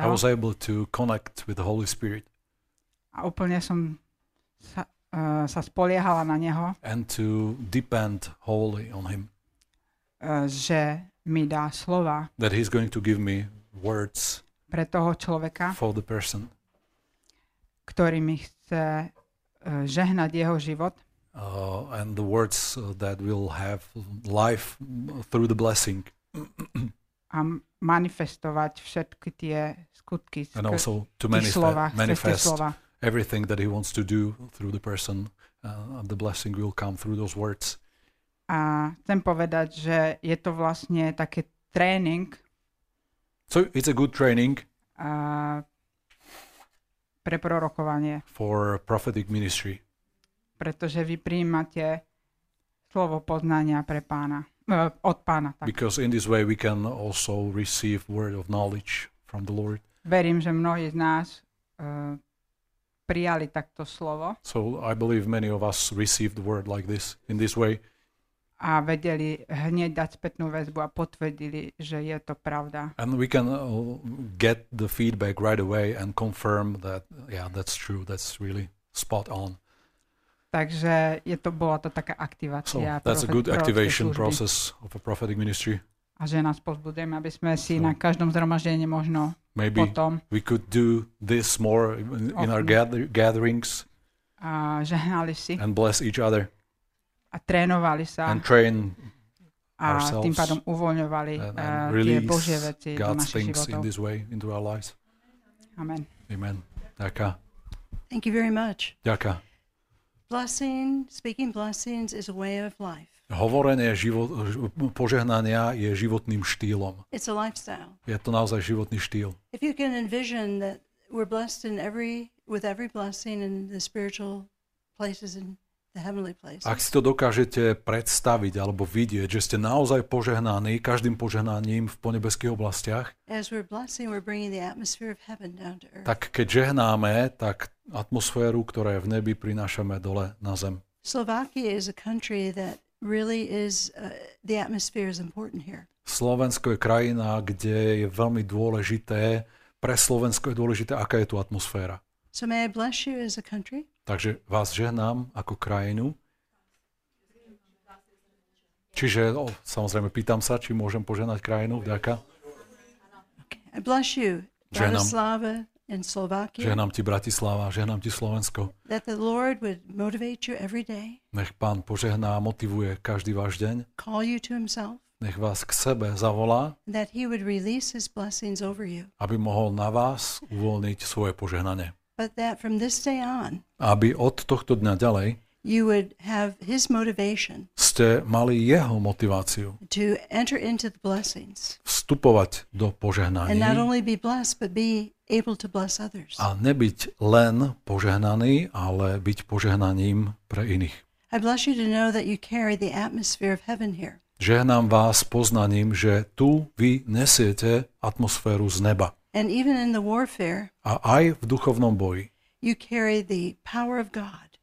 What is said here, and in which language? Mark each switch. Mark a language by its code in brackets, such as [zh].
[en] I was able to connect with the Holy Spirit. [sk] A úplne som sa spoliehala na neho. [en] And to depend wholly on him. [sk] Že mi dá slova. [en] That he's going to give me words. [sk] Pre toho človeka. [en] For the person. [sk] Ktorý mi chce žehnať jeho život. [en] And the words that will have life through the blessing. [sk] A manifestovať všetky tie skutky. [en] And also to manifest everything that he wants to do through the person, the blessing will come through those words. [sk] A chcem povedať, že je to vlastne také tréning. [en] So it's a good training. [sk] Pre prorokovanie. [en] For prophetic ministry. [sk] Pretože vy prijímate slovo poznania pre Pána, od Pána. Tak. [en] Because in this way we can also receive word of knowledge from the Lord. [sk] Verím, že mnohí z nás prijali takto slovo. [en] So I believe many of us received word like this, in this way. [sk] A vedeli hneď dať spätnú väzbu a potvrdili, že je to pravda. [en] And we can get the feedback right away and confirm that, yeah, that's true, that's really spot on. [sk] Takže je to, bola to taká aktivácia. [en] So that's a good activation process of a prophetic ministry. [sk] A že nás pozbudujeme, aby sme si na každom zhromaždení možno [en] maybe [sk] potom [en] we could do this more in our gatherings. [sk] A žehnali si. [en] And bless each other. [sk] A trénovali sa. [en] And train [sk] a [en] ourselves. [sk] A tým pádom uvoľňovali [en] release [sk] tie Božie veci [en] God's [sk] do našich životov. [en] Things in this way into our lives. Amen. [sk] Amen. Ďaká. [en] Thank you very much. [sk] Ďaká. [en] Blessing, speaking blessings is a way of life. [sk] Hovorenie požehnania je životným štýlom. [en] It's a lifestyle. [sk] Je to naozaj životný štýl. [en] If you can envision that we're blessed in with every blessing in the spiritual places in the heavenly places. [sk] Ak si to dokážete predstaviť alebo vidieť, že ste naozaj požehnaní každým požehnaním v ponebeských oblastiach. [en] As we're blessing, we're bringing the atmosphere of heaven down to earth. [sk] Tak keď žehnáme, tak atmosféru, ktorá je v nebi, prinášame dole na zem. [en] Slovakia is a country that really is the atmosphere is important here. [sk] Slovensko je krajina, kde je veľmi dôležité, pre Slovensko je dôležité, aká je tu atmosféra. [en] So may I bless you as a country? [sk] Takže vás žehnám ako krajinu. Čiže samozrejme pýtam sa, či môžem požehnať krajinu, vďaka. [en] Okay. I bless you. Bratislava and Slovakia. [sk] Žehnám ti Bratislava, žehnám ti Slovensko. [en] That the Lord would motivate you every day. [sk] Nech Pán požehná a motivuje každý váš deň. [en] Call you to himself. [sk] Nech vás k sebe zavolá. [en] That he would release his blessings over you. [sk] Aby mohol na vás uvoľniť svoje požehnanie. [en] But that from this day on. [sk] Aby od tohto dňa ďalej. [en] You would have his motivation. [sk] Ste mali jeho motiváciu. [en] To enter into the blessings. [sk] Vstupovať do požehnaní. [en] And not only be blessed, but be able to bless others. [sk] A nebyť len požehnaný, ale byť požehnaním pre iných. [en] I bless you to know that you carry the atmosphere of heaven here. [sk] Žehnám vás poznaním, že tu vy nesiete atmosféru z neba. [en] And even in the warfare, [sk] a aj v duchovnom boji, [en] you carry the power of God.